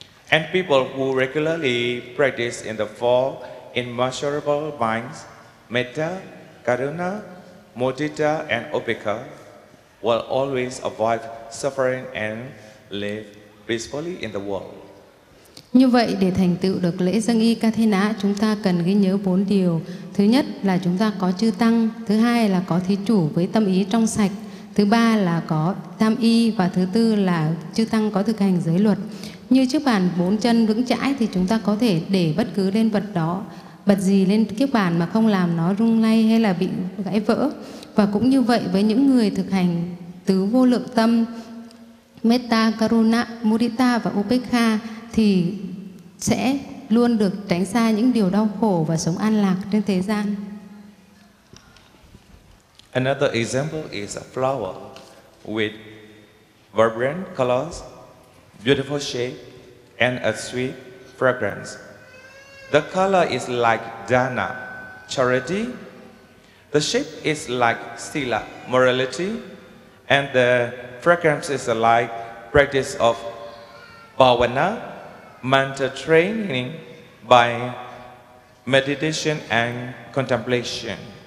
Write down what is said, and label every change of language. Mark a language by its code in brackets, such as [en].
[en] And people who regularly practice in the four immeasurable minds, metta, karuna, mudita, and upekkha, will always avoid suffering and live peacefully in the world. [vi] Như vậy, để thành tựu được lễ dâng y Kathina, chúng ta cần ghi nhớ bốn điều. Thứ nhất là chúng ta có chư tăng. Thứ hai là có thí chủ với tâm ý trong sạch. Thứ ba là có tam y. Và thứ tư là chư tăng có thực hành giới luật. Như chiếc bàn bốn chân vững chãi thì chúng ta có thể để bất cứ lên vật đó, vật gì lên chiếc bàn mà không làm nó rung lay hay là bị gãy vỡ. Và cũng như vậy với những người thực hành tứ vô lượng tâm, Metta, Karuna, Mudita và Upekkha thì sẽ luôn được tránh xa những điều đau khổ và sống an lạc trên thế gian. [en] Another example is a flower with vibrant colors, beautiful shape, and a sweet fragrance. The color is like dana, charity. The shape is like sila, morality. And the fragrance is like practice of bhavana, mental training by meditation and contemplation.